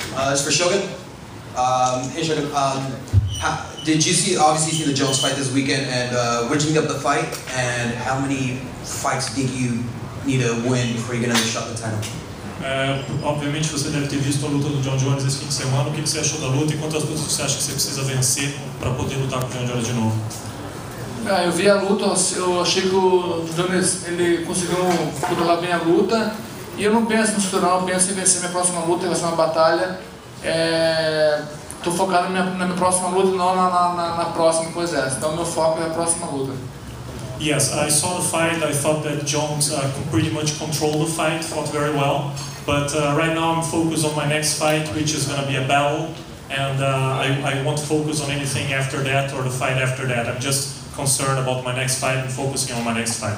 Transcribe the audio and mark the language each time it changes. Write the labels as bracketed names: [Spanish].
[English] This is for Shogun. Hey Shogun, did you see, obviously see the Jones fight this weekend, and what did you get the fight, and how many fights did you need to win before you get another shot at the title? [Portuguese] Obviamente você deve ter visto a luta do John Jones esse fim de semana. O que você achou da luta e quantas lutas você acha que você precisa vencer para poder lutar com o John Jones de novo? Eu vi a luta, eu achei que o Jones ele conseguiu controlar bem a luta. E eu não penso no futuro, eu penso em vencer minha próxima luta, vai ser uma batalha. Estou focado na minha próxima luta, não na próxima, pois é. Então meu foco é a próxima luta. [English] Yes, I saw the fight. I thought that Jones pretty much controlled the fight, fought very well. But right now I'm focused on my next fight, which is going to be a battle. And I won't focus on anything after that or the fight after that. I'm just concerned about my next fight and focusing on my next fight.